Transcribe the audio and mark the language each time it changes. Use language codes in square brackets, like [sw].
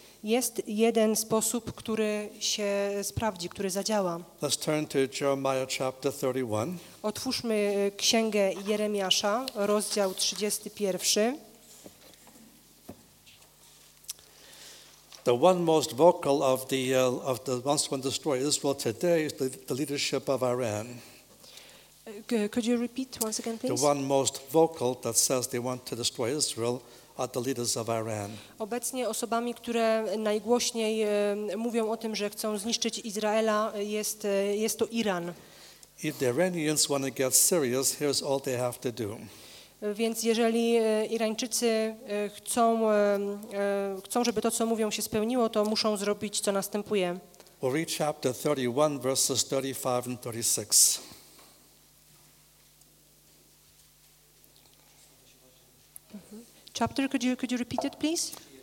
[pl] Jest jeden sposób, który się sprawdzi, który zadziała. [en] Let's turn to Jeremiah chapter 31. [pl] Otwórzmy Księgę Jeremiasza, rozdział 31. [en] The one most vocal of the ones who want to destroy Israel today is the leadership of Iran. Could you repeat once again, please? The one most vocal that says they want to destroy Israel are the leaders of Iran. [pl] Obecnie osobami, które najgłośniej mówią o tym, że chcą zniszczyć Izraela, jest to Iran. [en] If the Iranians want to get serious, here's all they have to do. [pl] Więc jeżeli Irańczycy chcą, żeby to, co mówią, się spełniło, to muszą zrobić, co następuje. [en] We'll read chapter 31, verses 35 and 36. Chapter, could you repeat it, please?